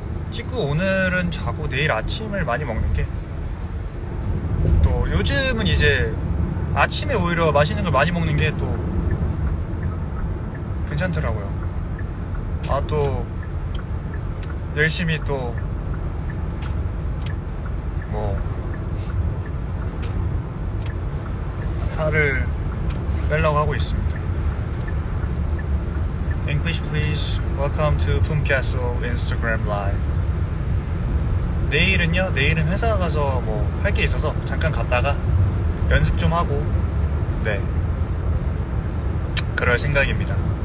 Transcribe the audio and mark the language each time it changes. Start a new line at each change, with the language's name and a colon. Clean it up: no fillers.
Korean: 식구 오늘은 자고 내일 아침을 많이 먹는 게. 또 요즘은 이제 아침에 오히려 맛있는 걸 많이 먹는 게 또 괜찮더라고요. 아, 또 열심히 또 뭐 살을 빼려고 하고 있습니다.
English: English please. Welcome to Pumcastle Instagram Live.
Korean: 내일은요? 내일은 회사 가서 뭐 할 게 있어서 잠깐 갔다가 연습 좀 하고, 네, 그럴 생각입니다.